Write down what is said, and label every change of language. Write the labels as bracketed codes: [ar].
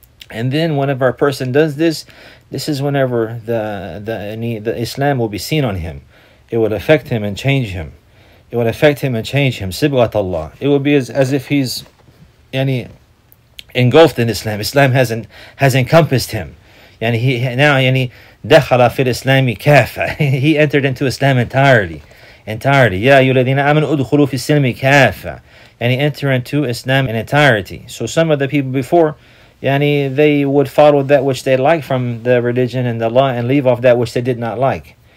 [en] And then whenever a person does this, this is whenever the Islam will be seen on him. It will affect him and change him. Sibghatullah. It will be as if he's engulfed in Islam. Islam has encompassed him. And he now [ar] دخل في الإسلام كافة. [en] He entered into Islam entirely. [ar] يا أيها الذين آمنوا ادخلوا في السلم كافة. [en] And he entered into Islam in entirety. So some of the people before, they would follow that which they liked from the religion and the law, and leave off that which they did not like.